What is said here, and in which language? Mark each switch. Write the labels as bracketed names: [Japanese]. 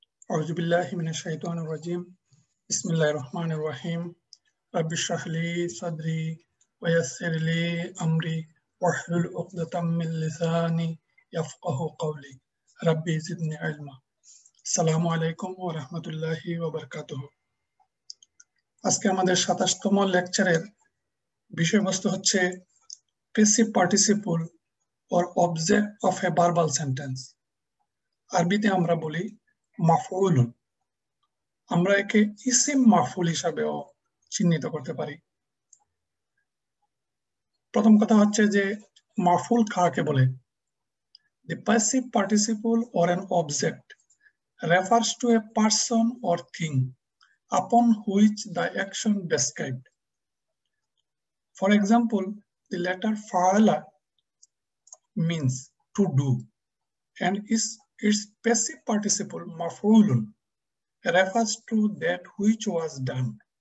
[Arabic] أعوذ بالله من الشيطان الرجيم. بسم الله الرحمن الرحيم. رب اشرح لي صدري ويسر لي أمري واحلل عقدة من لساني يفقه قولي ربي زدني علما. السلام عليكم ورحمة الله وبركاته. [Bangla] আজকে আমাদের 27তম লেকচারের বিষয়বস্তু হচ্ছে [English] Passive participle or object of a verbal sentence. [Bangla] আরবিতে আমরা বলি মাফউল। আমরা একে ইসিম মাফউল হিসাবেও চিহ্নিত করতে পারি। প্রথম কথা হচ্ছে যে মাফউল কাকে বলে। [English] The passive participle or an object refers to a person or thing upon which the action described. For example, the letter fa'ala means to do and is its passive participle maf'ulun refers to that which was done.